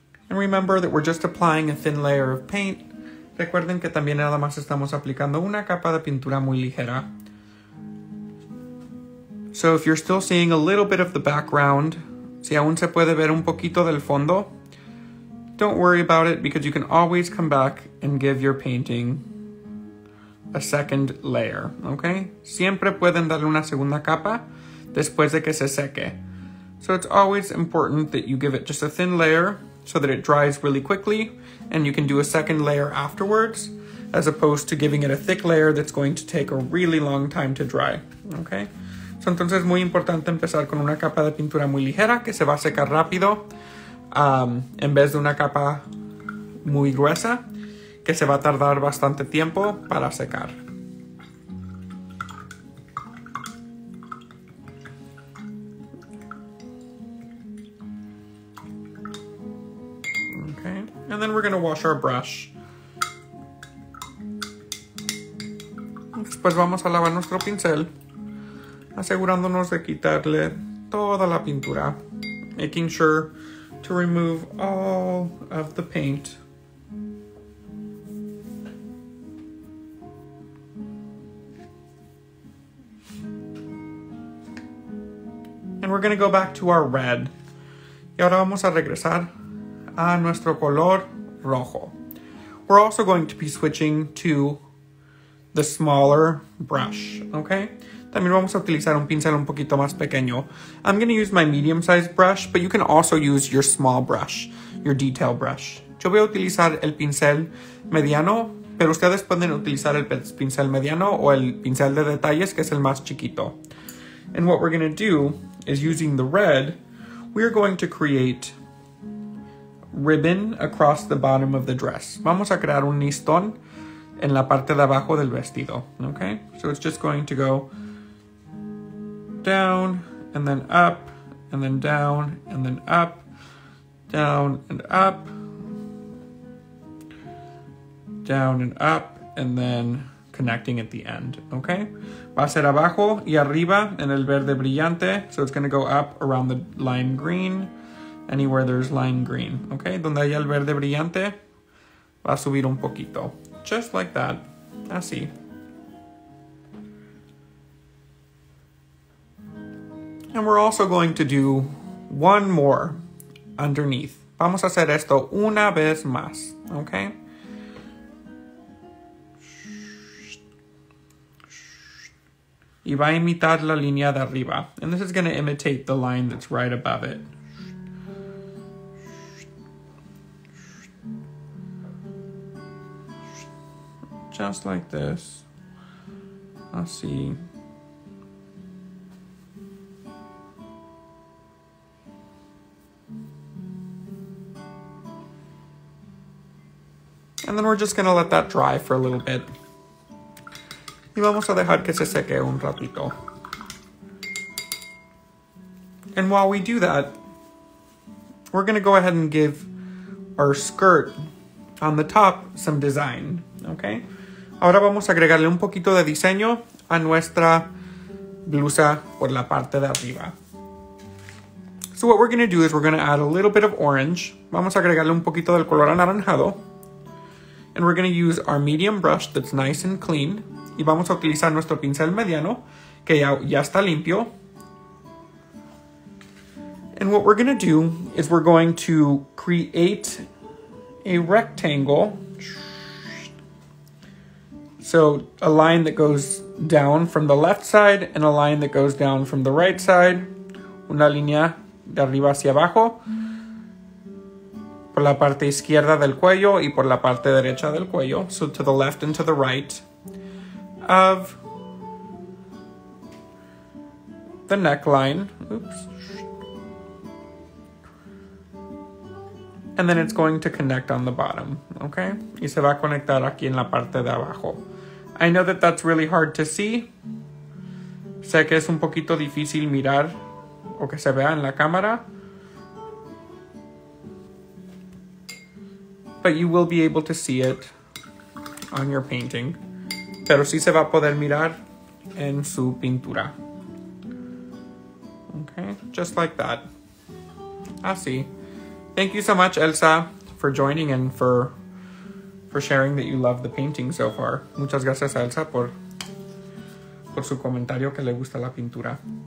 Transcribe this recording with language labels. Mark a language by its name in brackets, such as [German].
[English] And remember that we're just applying a thin layer of paint. [Spanish] Recuerden que también nada más estamos aplicando una capa de pintura muy ligera. [English] So if you're still seeing a little bit of the background, [Spanish] si aún se puede ver un poquito del fondo, [English] don't worry about it because you can always come back and give your painting a second layer, okay? [Spanish] Siempre pueden darle una segunda capa después de que se seque. [English] So it's always important that you give it just a thin layer so that it dries really quickly and you can do a second layer afterwards, as opposed to giving it a thick layer that's going to take a really long time to dry, okay? [Spanish] Entonces es muy importante empezar con una capa de pintura muy ligera que se va a secar rápido, en vez de una capa muy gruesa que se va a tardar bastante tiempo para secar. [English] Okay. And then we're going to wash our brush. [Spanish] Después vamos a lavar nuestro pincel, asegurándonos de quitarle toda la pintura, [English] making sure to remove all of the paint. And we're going to go back to our red. [Spanish] Y ahora vamos a regresar a nuestro color rojo. [English] We're also going to be switching to the smaller brush, okay? [Spanish] También vamos a utilizar un pincel un poquito más pequeño. [English] I'm going to use my medium-sized brush, but you can also use your small brush, your detail brush. [Spanish] Yo voy a utilizar el pincel mediano, pero ustedes pueden utilizar el pincel mediano o el pincel de detalles, que es el más chiquito. [English] And what we're going to do is, using the red, we are going to create ribbon across the bottom of the dress. [Spanish] Vamos a crear un listón en la parte de abajo del vestido, okay? [English] So it's just going to go down and then up and then down and then up, down and up, down and up, and then connecting at the end, okay? [Spanish] Va a ser abajo y arriba en el verde brillante. [English] So it's going to go up around the lime green, anywhere there's lime green, okay? [Spanish] Donde haya el verde brillante, va a subir un poquito. [English] Just like that. [Spanish] Así. [English] And we're also going to do one more underneath. [Spanish] Vamos a hacer esto una vez más, okay? Y va a imitar la línea de arriba. [English] And this is going to imitate the line that's right above it. Just like this. [Spanish] Así. [English] And then we're just going to let that dry for a little bit. [Spanish] Y vamos a dejar que se seque un ratito. [English] And while we do that, we're going to go ahead and give our skirt on the top some design, okay? [Spanish] Ahora vamos a agregarle un poquito de diseño a nuestra blusa por la parte de arriba. [English] So what we're going to do is we're going to add a little bit of orange. [Spanish] Vamos a agregarle un poquito del color anaranjado. [English] And we're going to use our medium brush that's nice and clean. [Spanish] Y vamos a utilizar nuestro pincel mediano, que ya está limpio. [English] And what we're going to do is we're going to create a rectangle. So a line that goes down from the left side and a line that goes down from the right side. [Spanish] Una línea de arriba hacia abajo. Por la parte izquierda del cuello y por la parte derecha del cuello. [English] So to the left and to the right of the neckline. Oops. And then it's going to connect on the bottom, okay? [Spanish] Y se va a conectar aquí en la parte de abajo. [English] I know that that's really hard to see. [Spanish] Sé que es un poquito difícil mirar o que se vea en la cámara. [English] But you will be able to see it on your painting. [Spanish] Pero sí se va a poder mirar en su pintura. [English] Okay, just like that. [Spanish] Así. [English] Thank you so much, Elsa, for joining and for sharing that you love the painting so far. [Spanish] Muchas gracias, Elsa, por su comentario que le gusta la pintura.